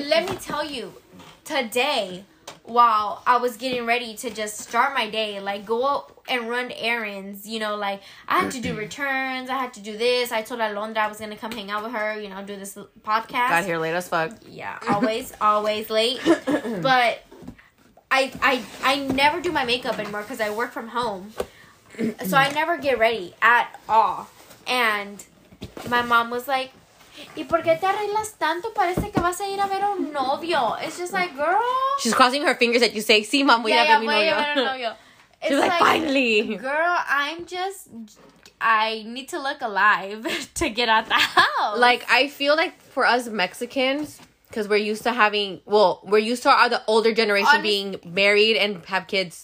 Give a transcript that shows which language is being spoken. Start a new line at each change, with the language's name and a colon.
English: Know, let me tell you, today, while I was getting ready to just start my day, like, go out and run errands, you know, like, I had to do returns, I had to do this, I told Alondra I was gonna come hang out with her, you know, do this podcast. Got here late as fuck. Yeah, always, always late. But I never do my makeup anymore because I work from home. So I never get ready at all. And... My mom was like,
Spanish: ¿y por qué te arreglas tanto? Parece que vas a ir a ver un novio.
English: It's just like, girl. She's crossing her fingers that you say,
Spanish: sí,
English: mom,
Spanish: voy a ver mi novio.
English: Yeah, novio. She's like, finally. Girl, I need to look alive to get out the house. Like, I feel like for us Mexicans, because we're used to we're used to the older generation being married and have kids.